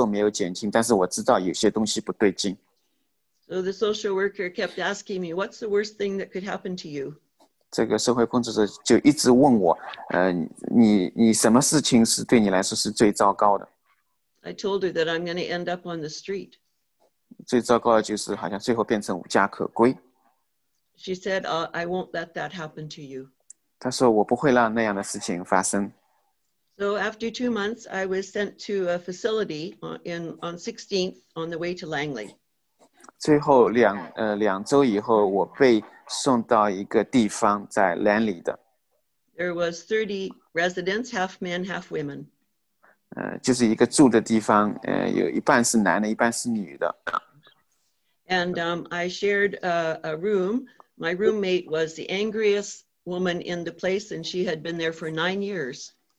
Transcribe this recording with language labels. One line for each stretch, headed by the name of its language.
Chinese: 这一次我不知道怎样能够出来，虽然我没有体重没有减轻，但是我知道有些东西不对劲。
English: So the social worker kept asking me, what's the worst thing that could happen to you?
Chinese: 这个社会工作者就一直问我，你什么事情是对你来说是最糟糕的？
English: I told her that I'm going to end up on the street.
Chinese: 最糟糕的就是好像最后变成无家可归。
English: She said, I won't let that happen to you.
Chinese: 她说我不会让那样的事情发生。
English: So after 2 months, I was sent to a facility on 16th on the way to Langley.
Chinese: 最后两周以后，我被送到一个地方在Langley的。
English: There was 30 residents, half men, half women.
Chinese: 就是一个住的地方，有一半是男的，一半是女的。
English: And I shared a room. My roommate was the angriest woman in the place, and she had been there for 9 years.